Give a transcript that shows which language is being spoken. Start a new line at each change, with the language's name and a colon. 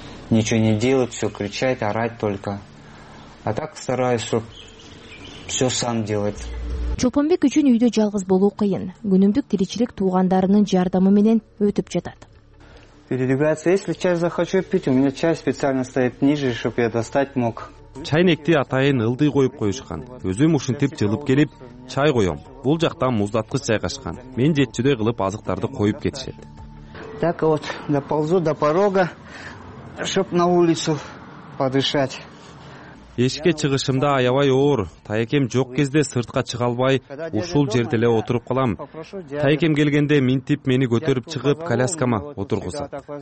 Russian: Ничего не делать, всё кричать, орать только. А так стараюсь, чтоб всё сам делать.
Kyrgyz: Чолпонбек үчүн үйдө жалгыз болуу кыйын. Күнүмдүк тиричилик туугандарынын жардамы менен өтүп жатат.
Russian: Передвигаться, если чай захочу пить, у меня чай специально стоит ниже, чтобы я достать мог.
Kyrgyz: Чайникти атайын ылдый коюп коюшкан. Өзүм ушинтип жылып келип, чай коём. Бул жактан муздаткыч жайгашкан. Мен жетчүдөй кылып азыктарды коюп кетишет.
Russian: Так вот, доползу до порога, чтоб на улицу подышать.
Kyrgyz: Эшикке чыгышымда аябай оор, таекем жок кезде сыртка чыга албай, ушул жерде эле отуруп калам. Таекем келгенде минтип мени көтөрүп чыгып, коляскама отургузат.